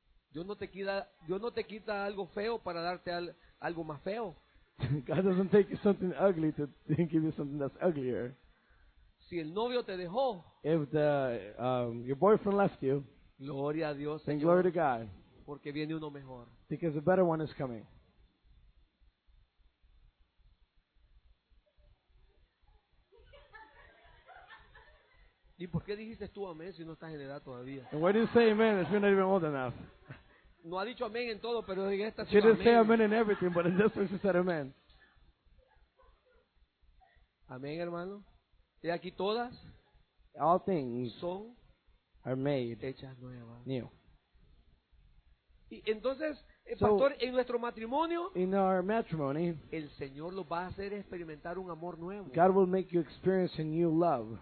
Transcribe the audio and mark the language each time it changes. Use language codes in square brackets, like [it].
[es] Dios no te quita algo feo para darte algo más feo. [en] God doesn't take you something ugly to give you something that's uglier. [es] Si el novio te dejó. [en] If the your boyfriend left you. [es] Gloria a Dios, [en] and glory to God. [es] Porque viene uno mejor. [en] Because a better one is coming. [es] ¿Y por qué dijiste tú amén si no estás en edad todavía? [en] And why do you say amen if you're not even old enough? [es] No ha dicho amén en todo, pero en esta [en] she didn't say amen in everything, but in this one she said amen. [es] Amén, hermano. Y aquí todas. [en] All things. [es] Son. [en] Are made [es] hechas nuevas. [en] New. [es] Y entonces, pastor, [en] so, [es] en nuestro matrimonio, [en] in our matrimony, [es] el Señor lo va a hacer experimentar un amor nuevo. [en] God will make you experience a new love.